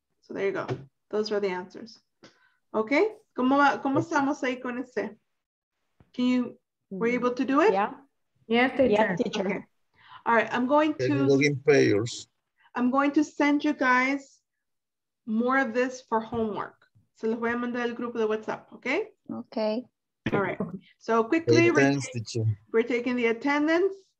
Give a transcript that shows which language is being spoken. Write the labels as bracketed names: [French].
[English] So there you go. Those are the answers. Okay? [Spanish] ¿Cómo estamos ahí con ese? [English] Were you able to do it? Yeah, teacher. Okay. All right, I'm going to send you guys more of this for homework. [Spanish] Se los voy a mandar al grupo de WhatsApp, okay? [English] Okay. All right, so quickly, we're taking the attendance.